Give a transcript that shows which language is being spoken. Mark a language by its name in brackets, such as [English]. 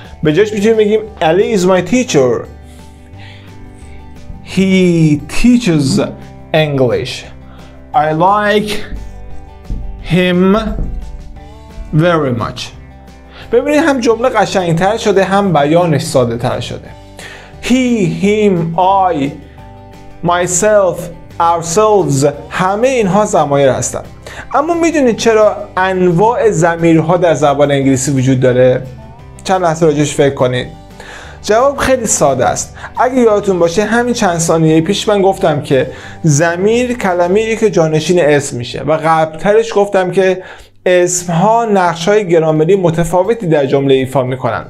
[Persian] به جایش میتونیم بگیم علی [English] is my teacher. He teaches English. I like him very much. [Persian] ببینید هم جمله قشنگتر شده، هم بیانش ساده تر شده. [English] He, him, I, myself, ourselves، [Persian] همه اینها ضمایر هستند. اما میدونید چرا انواع ضمیرها در زبان انگلیسی وجود داره؟ چند لحظه راجعش فکر کنید. جواب خیلی ساده است. اگه یادتون باشه همین چند ثانیه پیش من گفتم که ضمیر کلمه‌ای که جانشین اسم میشه و قبلترش گفتم که اسمها نقش‌های گرامری متفاوتی در جمله ایفا میکنن.